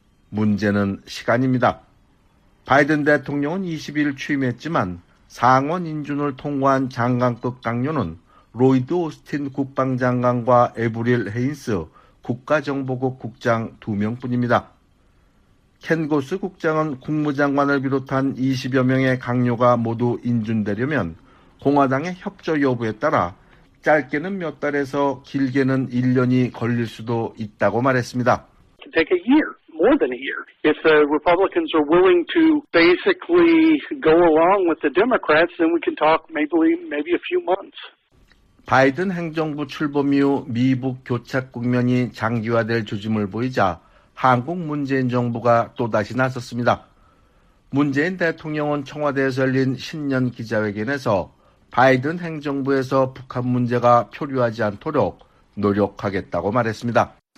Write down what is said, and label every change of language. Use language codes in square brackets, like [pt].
[ko] 문제는 시간입니다. 바이든 대통령은 20일 취임했지만 상원 인준을 통과한 장관급 강요는 로이드 오스틴 국방장관과 에브릴 헤인스 국가정보국 국장 두 명뿐입니다. 켄 고스 국장은 국무장관을 비롯한 20여 명의 강요가 모두 인준되려면 공화당의 협조 여부에 따라 짧게는 몇 달에서 길게는 1년이 걸릴 수도 있다고 말했습니다. [en] More than a year. If the Republicans are willing to basically go along with the Democrats, then we can talk maybe a few months. [ko] 바이든 행정부 출범 이후 미북 교착 국면이 장기화될 조짐을 보이자 한국 문재인 정부가 또다시 나섰습니다. 문재인 대통령은 청와대에서 열린 신년 기자회견에서 바이든 행정부에서 북한 문제가 표류하지 않도록 노력하겠다고 말했습니다.